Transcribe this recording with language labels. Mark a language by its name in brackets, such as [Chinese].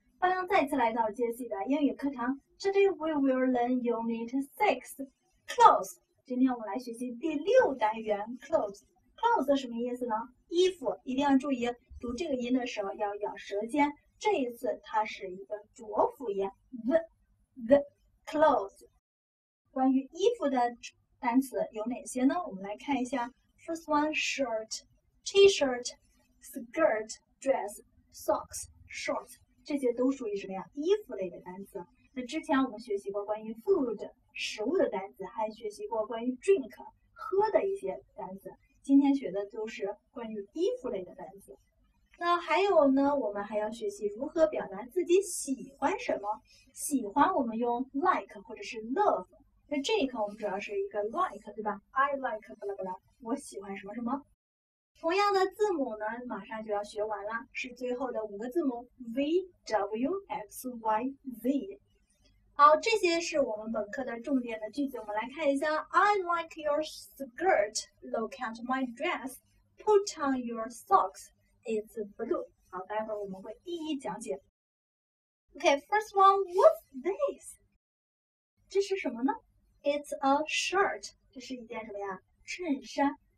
[Chinese] 欢迎再次来到 Jessie 的英语课堂。 [English] Today we will learn Unit 6, Clothes. [Chinese] 今天我们来学习第六单元 Clothes. Clothes 什么意思呢？衣服。一定要注意读这个音的时候要咬舌尖。这一次它是一个浊辅音 the Clothes. 关于衣服的单词有哪些呢？我们来看一下。 [English] First one, shirt. T-shirt, skirt, dress, socks, shorts, [Chinese] 这些都属于什么呀？衣服类的单词。那之前我们学习过关于 food, 食物的单词，还学习过关于 drink, 喝的一些单词。今天学的都是关于衣服类的单词。那还有呢，我们还要学习如何表达自己喜欢什么。喜欢我们用 like 或者是 love。那这一课我们主要是一个 like, 对吧 ?I like, 巴拉巴拉，我喜欢什么什么。同样的字母呢马上就要学完了，是最后的五个字母 VWXYZ。好，这些是我们本课的重点的句子，我们来看一下。 [English] I like your skirt, look at my dress, put on your socks, it's blue. [Chinese] 好，待会儿我们会一一讲解。 [English] OK, first one, what's this? [Chinese] 这是什么呢？ [English] It's a shirt, [Chinese] 这是一件什么呀？衬衫。